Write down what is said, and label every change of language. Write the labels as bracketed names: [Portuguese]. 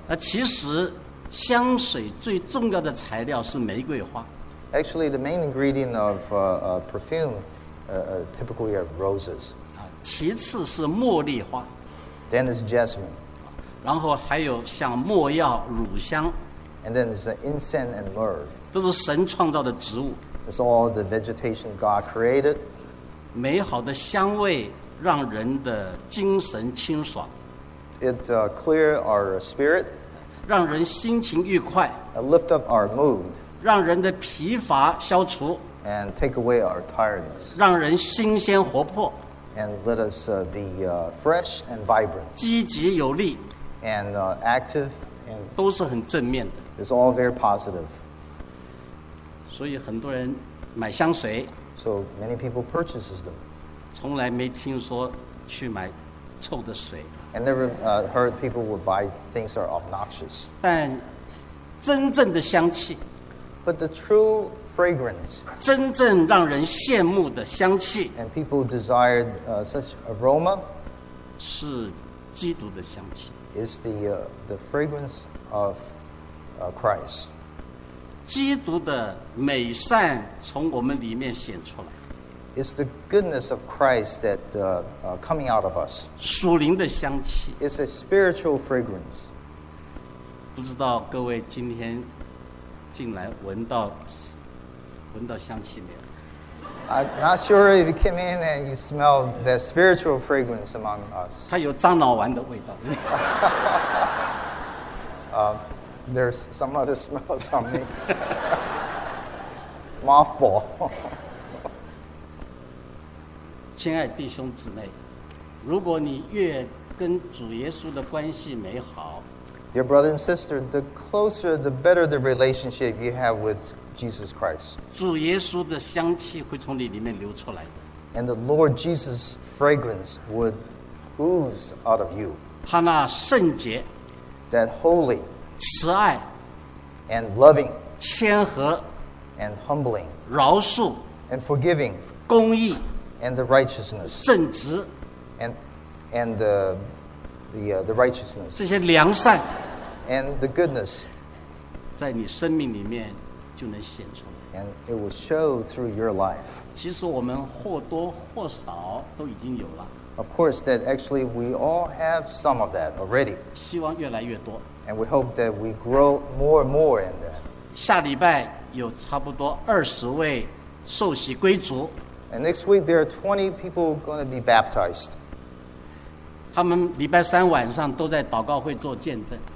[Chinese] 那其实香水最重要的材料是玫瑰花 [English] Actually the main ingredient of perfume typically are roses [Chinese] 其次是茉莉花 [English] Then it's jasmine [Chinese] 然后还有像墨药乳香 [English] And then it's incense and myrrh [Chinese] 都是神创造的植物 [English] It's all the vegetation God created [Chinese] 美好的香味让人的精神清爽 [English] It clear our spirit [Chinese] 让人心情愉快 [English] Lift up our mood [Chinese] 让人的疲乏消除 [English] and take away our tiredness. [Chinese] 让人新鲜活泼。 [English] And let us be fresh and vibrant. [Chinese] 积极有力。 [English] And active. And [Chinese] 都是很正面的。 [English] It's all very positive. [Chinese] 所以很多人买香水。 [English] So many people purchase them. [Chinese] 从来没听说去买臭的水。 [English] And never heard people would buy things that are obnoxious. [Chinese] 但真正的香气。 [English] But the true fragrance, [Chinese] 真正让人羡慕的香气, [English] and people desired such aroma, [Chinese] 是基督的香气, [English] is the fragrance of Christ. [Chinese] 基督的美善从我们里面显出来, [English] is the goodness of Christ that coming out of us. [Chinese] 属灵的香气, [English] is a spiritual fragrance. [Chinese] 不知道各位今天进来闻到香气没有 [English] ？I'm not sure if you came in and you smell that spiritual fragrance among us. [Chinese] 它有樟脑丸的味道。 [English] there's some other smells on me. Mothball. [Chinese] 亲爱弟兄姊妹，如果你越跟主耶稣的关系美好。 [English] Dear brother and sister, the closer, the better the relationship you have with Jesus Christ. [Chinese] 主耶稣的香气会从你里面流出来。 [English] And the Lord Jesus' fragrance would ooze out of you. [Chinese] 他那圣洁。 [English] That holy. [Chinese] 慈爱。 [English] And loving. [Chinese] 谦和。 [English] And humbling. [Chinese] 饶恕。 [English] And forgiving. [Chinese] 公义。 [English] And the righteousness. [Chinese] 正直。 [English] And the righteousness [Chinese] 这些良善 [English] and the goodness [Chinese] 在你生命里面就能显出来 [English] and it will show through your life [Chinese] 其实我们或多或少都已经有了 [English] of course that actually we all have some of that already [Chinese] 希望越来越多 [English] and we hope that we grow more and more in that [Chinese] 下礼拜有差不多20位受洗归主 [English] and next week there are 20 people going to be baptized [Chinese] 他们礼拜三晚上都在祷告会做见证。